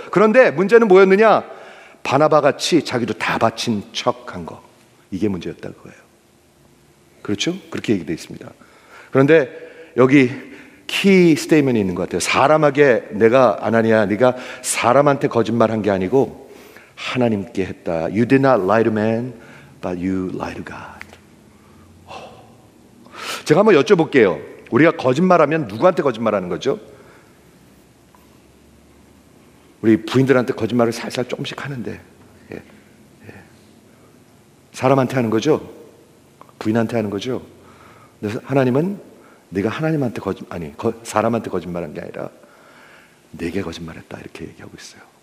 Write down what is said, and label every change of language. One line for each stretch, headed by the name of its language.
Korean: 그런데 문제는 뭐였느냐? 바나바같이 자기도 다 바친 척한 거. 이게 문제였다, 그거예요. 그렇죠? 그렇게 얘기되어 있습니다. 그런데 여기 키 스테이먼이 있는 것 같아요. 사람에게 내가 아나니아, 네가 사람한테 거짓말한 게 아니고 하나님께 했다.
English: You did not lie to man, but you lied to God.
Korean: 제가 한번 여쭤볼게요. 우리가 거짓말하면 누구한테 거짓말하는 거죠? 우리 부인들한테 거짓말을 살살 조금씩 하는데 예. 예. 사람한테 하는 거죠? 부인한테 하는 거죠? 그래서 하나님은 네가 하나님한테 사람한테 거짓말한 게 아니라 내게 거짓말했다 이렇게 얘기하고 있어요.